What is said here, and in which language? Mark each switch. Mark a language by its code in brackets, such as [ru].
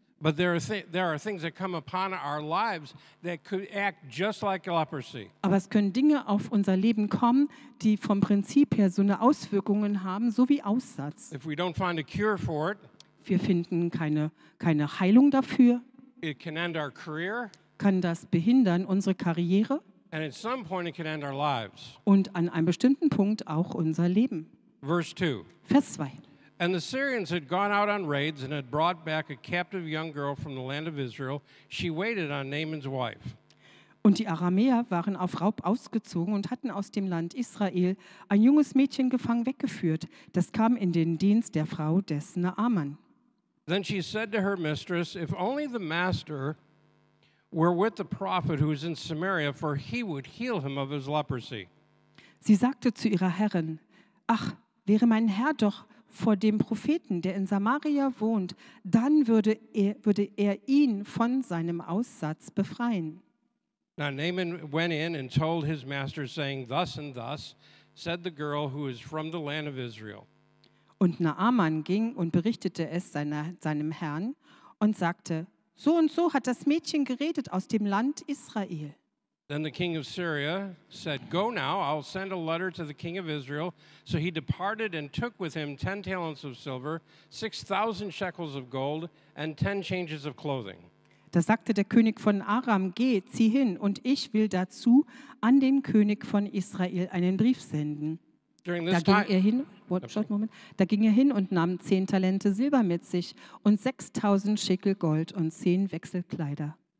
[en] But there are things that come upon our lives that could act just like leprosy. [de] Aber es können Dinge auf unser Leben kommen, die vom Prinzip her so eine Auswirkungen haben, so wie Aussatz. [en] If we don't find a cure for it, [de] wir finden keine Heilung dafür. [en] It can end our career. [de] Kann das behindern unsere Karriere? [en] And at some point it can end our lives. [de] Und an einem bestimmten Punkt auch unser Leben. [en] Verse 2. [de] Vers 2. [en] And the Syrians had gone out on raids and had brought back a captive young girl from the land of Israel. She waited on Naaman's wife. [de] Und die Aramäer waren auf Raub ausgezogen und hatten aus dem Land Israel ein junges Mädchen gefangen weggeführt. Das kam in den Dienst der Frau des Naaman. [en] Then she said to her mistress, if only the master were with the prophet who is in Samaria, for he would heal him of his leprosy. [de] Sie sagte zu ihrer Herrin, ach, wäre mein Herr doch vor dem Propheten, der in Samaria wohnt, dann würde er ihn von seinem Aussatz befreien. [en] Now Naaman went in and told his master, saying, thus and thus said the girl who is from the land of Israel. [de] Und Naaman ging und berichtete es seinem Herrn und sagte, so und so hat das Mädchen geredet aus dem Land Israel. [en] Then the king of Syria said, go now, I'll send a letter to the king of Israel. So he departed and took with him 10 talents of silver, 6,000 shekels of gold, and 10 changes of clothing. [de] Da sagte der König von Aram, geh, zieh hin, und ich will dazu an den König von Israel einen Brief senden. [en] During this [de] Da ging er hin und nahm 10 Talente Silber mit sich und 6,000 Schekel Gold und 10 Wechselkleider.